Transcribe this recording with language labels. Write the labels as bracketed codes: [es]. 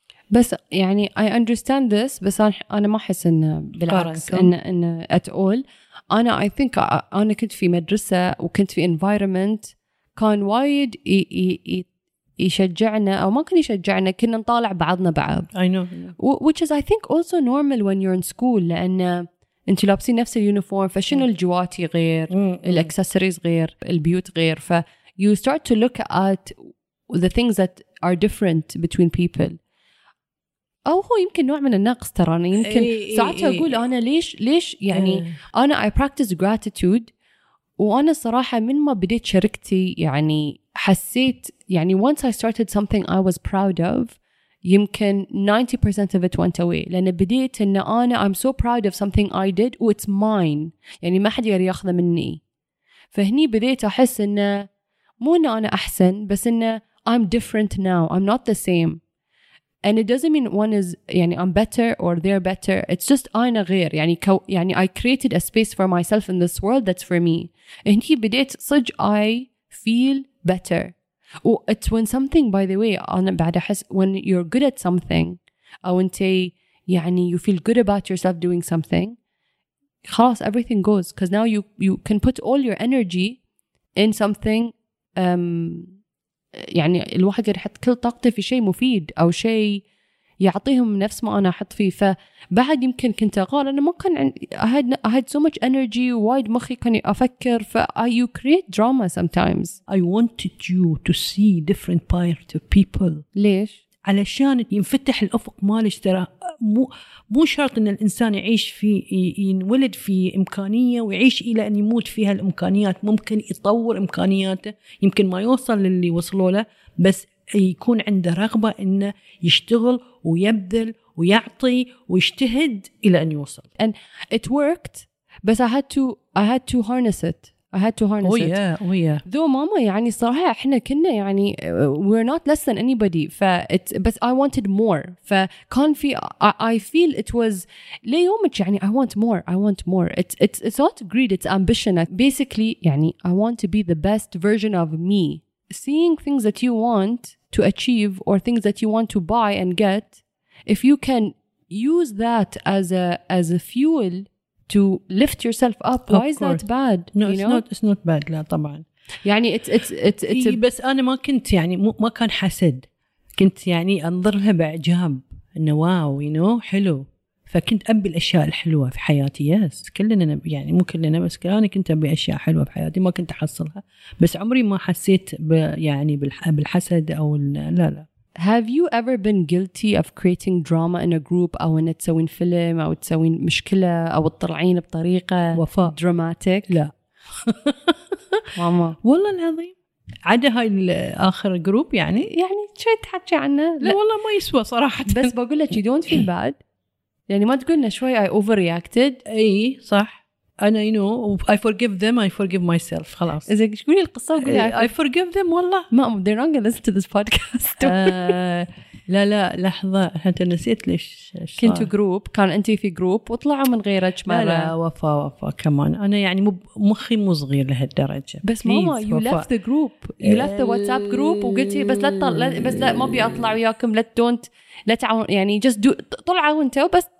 [ar] بس يعني [en] I understand this [ar] بس أنا ما أحس إن بالعكس إن [en] at all. [ar] أنا [en] I think [ar] أنا كنت في مدرسة وكنت في environment كان وايد يشجعنا أو ما كان يشجعنا كنا نطالع بعضنا بعض. [en] I know. Which is I think also normal when you're in school [ar] لأن أنت لابسين نفس اليونيفورم فشنو الجواتي غير الأكسسوريز غير البيوت غير [en] ف you start to look at the things that are different between people. [ar] أو هو يمكن نوع من النقص ترى أنا يمكن ساعتها أقول أنا ليش يعني أنا [en] I practice gratitude [ar] وأنا صراحة من ما بديت شركتي يعني حسيت يعني [en] once I started something I was proud of [ar] يمكن 90% [en] of it went away [ar] لأن بديت أن أنا [en] I'm so proud of something I did and it's mine [ar] يعني ما حد يقدر يأخذ مني. فهني بديت أحس أن مو أن أنا أحسن بس أن [en] I'm different now I'm not the same. And it doesn't mean one is, [ar] يعني [en] I'm better or they're better. It's just [ar] أنا غير. [en] يعني يعني I created a space for myself in this world that's for me. And he [ar] بديت صج [en] I feel better. Oh, it's when something, by the way, [ar] أنا بعد أحس [en] when you're good at something, [ar] أو أنت يعني [en] you feel good about yourself doing something, خلاص everything goes. Because now you can put all your energy in something. [ar] يعني الواحد قد يحط كل طاقته في شيء مفيد أو شيء يعطيهم نفس ما أنا أحط فيه. فبعد يمكن كنت أقول أنا ما كان [en] I had so much energy [ar] وايد مخي كان أفكر ف [en] you create drama sometimes. I wanted you to see different part of people. [ar] ليش؟ علشان ينفتح الأفق مالش ترى مو شرط أن الإنسان يعيش في ينولد في إمكانية ويعيش إلى أن يموت فيها الإمكانيات. ممكن يطور إمكانياته يمكن ما يوصل للي وصلوا له بس يكون عنده رغبة أنه يشتغل ويبذل ويعطي ويجتهد إلى أن يوصل. [en] And it worked [ar] بس [en] I had to harness it. Oh yeah. Though mama [ar] يعني صراحة إحنا كنا يعني [en] we're not less than anybody. But I wanted more. [ar] فكان في [en] I feel it was [ar] ليومك يعني [en] I want more. It's not greed. It's ambition. Basically يعني I want to be the best version of me. Seeing things that you want to achieve or things that you want to buy and get, if you can use that as a fuel. To lift yourself up. Of why is course. That bad? No, it's know? Not. It's not bad. [ar] لا طبعا. يعني [en] it's. [ar] بس أنا ما كنت يعني ما كان حسد. كنت يعني أنظرها بإعجاب. إنه واو, [en] you know, [ar] حلو. فكنت أبي الأشياء الحلوة في حياتي. [en] Yes. [ar] كلنا نبي يعني مو كلنا بس أنا كنت أبي أشياء حلوة في حياتي ما كنت أحصلها. بس عمري ما حسيت يعني بالحسد أو لا لا. [en] Have you ever been guilty of creating drama in a group [ar] أو أن تسوين فيلم أو تسوين مشكلة أو تطلعين بطريقة وفاء دراماتيك؟ لا ماما والله العظيم عدا هاي الآخر جروب يعني شو تحكي عنه؟ لا والله ما يسوى صراحة. بس بقول لك [en] you don't feel bad [ar] يعني ما تقولنا شوي [en] I overreacted. [ar] أي صح أنا [en] you know I forgive them I forgive myself خلاص. [ar] إذا قولي القصة وقولي [en] I forgive them والله. Mom they're not gonna listen to this podcast. [ar] لا لحظة أنت نسيت ليش كنت جروب كان أنت في جروب وطلعوا من غيرك مرة. لا وفا كمان أنا يعني مخي مو صغير لهالدرجة. بس ماما [en] you left the group you left the WhatsApp group [ar] وقلتي بس لا ما بيطلع وياكم لا don't لا تعاون يعني [en] just do [ar] طلعوا أنت وبس